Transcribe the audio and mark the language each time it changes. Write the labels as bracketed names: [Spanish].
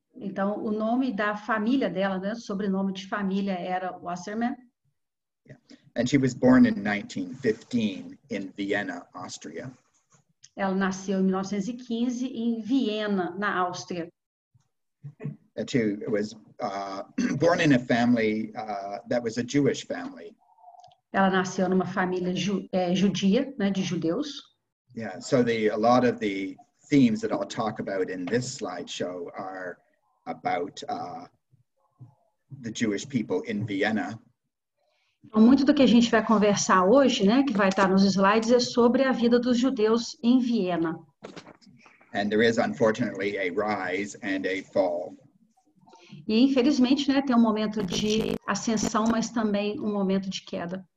[Portuguese] Então, o nome da família dela, né? O sobrenome de família era Wasserman. [English] And she was born in 1915 in Vienna, Austria. [Portuguese] Ela nasceu em 1915 em Viena, na Áustria. [English] She was born in a family that was a Jewish family. [Portuguese] Ela nasceu numa família judia, né, de judeus. [English] Yeah, so a lot of the themes that I'll talk about in this slideshow are about the Jewish people in Vienna. [Portuguese] Então, muito do que a gente vai conversar hoje, né, que vai estar nos slides, é sobre a vida dos judeus em Viena. [English] And there is, unfortunately, a rise and a fall. [Portuguese] E, infelizmente, né, tem um momento de ascensão, mas também um momento de queda.